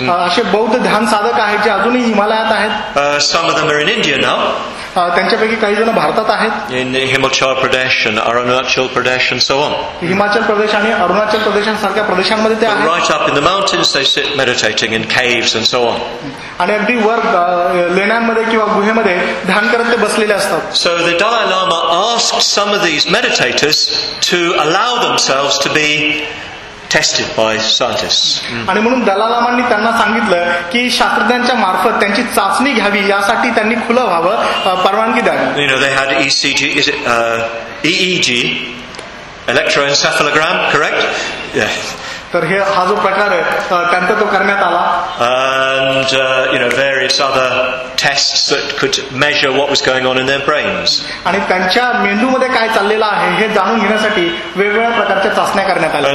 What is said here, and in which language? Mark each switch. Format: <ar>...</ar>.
<mr>असे बौद्ध ध्यान साधक आहेत जे अजूनही हिमालयात आहेत.</mr> <en>Some of them are in India now.</en> <mr>त्यांच्यापैकी काही जण भारतात आहेत.</mr> <en>In Himachal Pradesh and Arunachal Pradesh and so on.</en> <mr>Himachal Pradesh आणि अरुणाचल प्रदेशांसारख्या प्रदेशांमध्ये ते आहेत.</mr> <en>Right up in the mountains they sit meditating in caves and so on.</en> <mr>आणि अगदी वर लेण्यांमध्ये किंवा गुहेमध्ये ध्यान करत ते बसलेले असतात.</mr> <en>So the Dalai Lama asked some of these meditators to allow themselves to be tested by scientists.</en> <mr>आणि म्हणून दलाई लामांनी त्यांना सांगितलं की शास्त्रज्ञांच्या मार्फत त्यांची चाचणी घ्यावी यासाठी त्यांनी खुलं व्हावं परवानगी द्यावी.</mr> <en>You know, they had ECG, is it EEG, electroencephalogram, correct? Yes.</en> <mr>तर हे हा जो प्रकार आहे त्यांचा तो करण्यात आला.</mr> <en>And you know, various other tests that could measure what was going on in their brains.</en> <mr>आणि त्यांच्या मेंदू मध्ये काय चाललेलं आहे हे जाणून घेण्यासाठी वेगवेगळ्या प्रकारच्या चाचण्या करण्यात आल्या.</mr>